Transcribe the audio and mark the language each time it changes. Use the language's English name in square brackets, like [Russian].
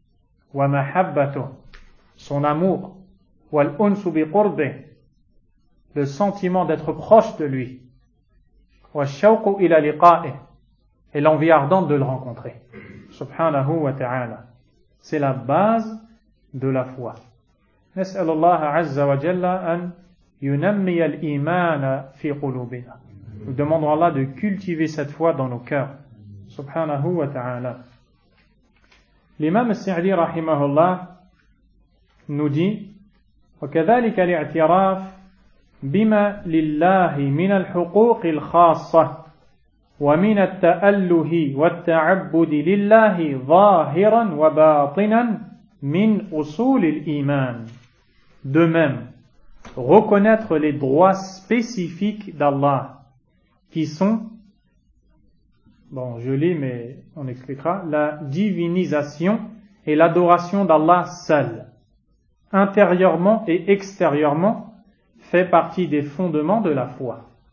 [Arabic] « وَمَحَبَّةُ [French] » Son amour. « [Arabic] وَالْأُنْسُ بِقُرْبِ [French] » Le sentiment d'être proche de lui. « [Arabic] وَالشَّوْقُ إِلَى لِقَائِهِ [French] » Et l'envie ardente de le rencontrer. Subhanahu wa ta'ala. C'est la base de la foi. [Arabic] نسأل الله عز وجل أن ينمي الإيمان في قلوبنا. [French] Nous demandons à Allah de cultiver cette foi dans nos cœurs. [Arabic] سبحانه وتعالى. الإمام السعدي رحمه الله [French] nous dit: [Arabic] وكذلك الاعتراف بما لله من الحقوق الخاصة ومن التأله والتعبد لله ظاهرا وباطنا من أصول الإيمان. [French] De même, reconnaître les droits spécifiques d'Allah, qui sont, bon, je lis, mais on expliquera, la divinisation et l'adoration d'Allah seul, intérieurement et extérieurement, fait partie des fondements de la foi.